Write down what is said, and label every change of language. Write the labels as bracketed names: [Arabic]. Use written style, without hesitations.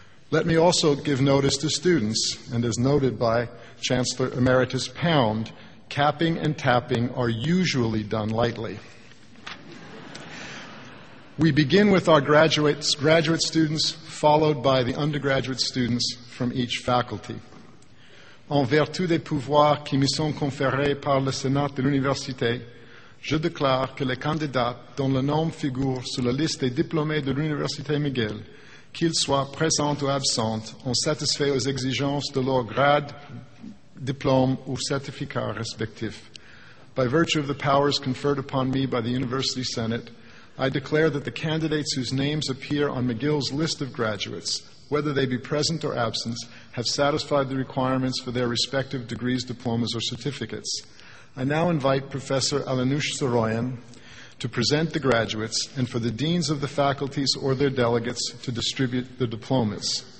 [English] Let me also give notice to students, and as noted by Chancellor Emeritus Pound, capping and tapping are usually done lightly. We begin with our graduate students, followed by the undergraduate students from each faculty. [French] En vertu des pouvoirs qui me sont conférés par le Sénat de l'Université, je déclare que les candidats dont le nom figure sur la liste des diplômés de l'Université McGill, qu'ils soient présents ou absents, ont satisfait aux exigences de leur grade, diplôme ou certificat respectif. [English] By virtue of the powers conferred upon me by the University Senate, I declare that the candidates whose names appear on McGill's list of graduates, whether they be present or absent, have satisfied the requirements for their respective degrees, diplomas, or certificates. I now invite Professor Alanush Soroyan to present the graduates and for the deans of the faculties or their delegates to distribute the diplomas.